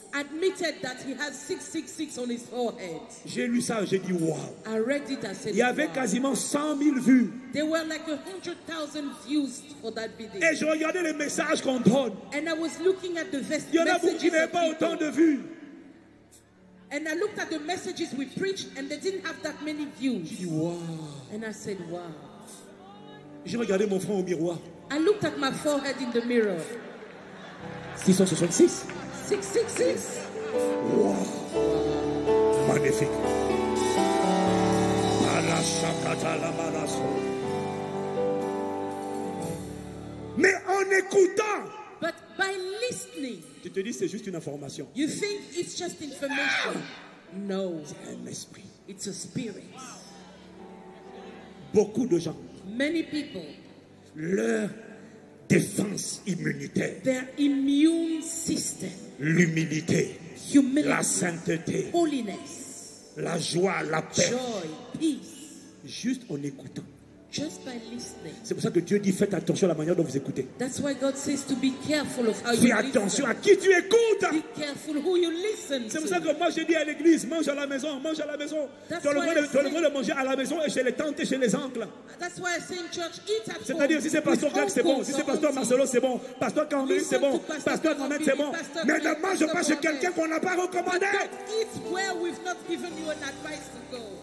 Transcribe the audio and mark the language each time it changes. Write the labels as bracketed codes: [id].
[en] Admitted that he has 666 on his forehead. [fr] J'ai lu ça, j'ai dit wow. [en] I read it, I said, [fr] il y avait [en] wow. [fr] Quasiment 100 000 vues. [en] There were like 100,000 views for that video. [fr] Et je regardais les messages qu'on donne. [en] And I was looking at the messages. [fr] Il y en a beaucoup qui n'avaient pas autant de vues. [en] And I looked at the messages we preached and they didn't have that many views. [fr] J'ai dit wow. [en] And I said wow. [fr] J'ai regardé mon front au miroir. [en] I looked at my forehead in the mirror. [fr] 666. [en] 666. [fr] Wow. Magnifique. Alashakata la manasso. Mais en écoutant. [en] But by listening. [fr] Tu te dis c'est juste une information. [en] You think it's just information. No. [fr] C'est un esprit. [en] It's a spirit. [fr] Beaucoup de gens. [en] Many people. [fr] Leur défense immunitaire. [en] Their immune system. [fr] L'humilité, [en] humility, [fr] la sainteté, [en] holiness, [fr] la joie, la paix, [en] joy, peace, [fr] juste en écoutant. [en] Just by listening. [fr] C'est pour ça que Dieu dit faites attention à la manière dont vous écoutez. [en] That's why God says to be careful of how [fr] fais [en] you listen. [fr] Fais attention à qui tu écoutes. [en] Be careful who you listen [fr] c'est [en] to. [fr] Pour ça que moi je dis à l'église mange à la maison, mange à la maison. Tu as le droit de manger à la maison et chez les tantes et chez les oncles. [en] That's why I say in church eat at home. [fr] C'est-à-dire si c'est pasteur Greg c'est bon, si c'est pasteur Marcelo c'est bon, pasteur Camille c'est bon, pasteur Mohamed c'est bon. Mais ne mange pas chez quelqu'un qu'on n'a pas recommandé. [en] But eat where we've not given you an advice to go.